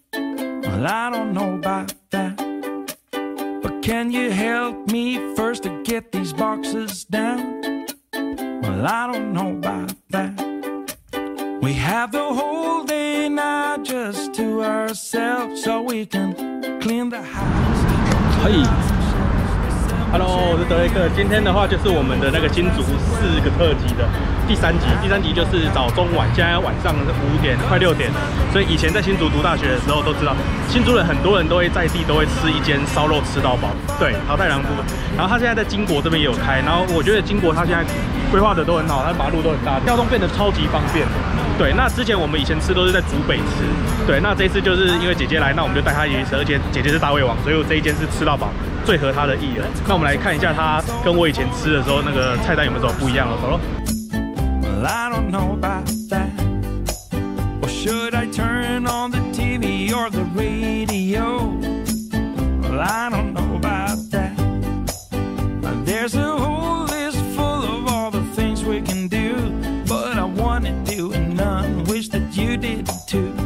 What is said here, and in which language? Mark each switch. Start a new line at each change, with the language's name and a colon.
English: Well, I don't know about that. But can you help me first to get these boxes down? Well, I don't know about that. We have the whole day now just to ourselves so we can clean the house. Hey. Hello，
Chinese: 我是德雷克。今天的话就是我们的那个新竹四个特辑的第三集。第三集就是早中晚，现在晚上五点快六点了。所以以前在新竹读大学的时候都知道，新竹人很多人都会在地都会吃一间烧肉吃到饱。对，陶太郎夫。然后他现在在金国这边也有开。然后我觉得金国他现在规划的都很好，他马路都很大，交通变得超级方便。对，那之前我们以前吃都是在竹北吃。对，那这一次就是因为姐姐来，那我们就带她一起吃，而且姐姐是大胃王，所以我这一间是吃到饱。最合他的意了。那我们来看一下他跟我以前吃的时候那个菜单有没有什么不一样了。走喽。
English: Well, I don't know about that. Or should I turn on the TV or the radio? Well, I don't know about that. There's a whole list full of all the things we can do. But I want to do it none. Wish that you did too.